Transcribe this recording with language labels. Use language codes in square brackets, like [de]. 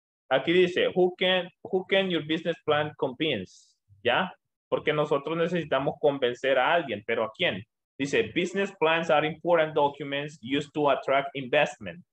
[es] aquí dice, [en] who can your business plan convince? [es] ¿Ya? Porque nosotros necesitamos convencer a alguien, ¿pero a quién? Dice, [en] business plans are important documents used to attract investment.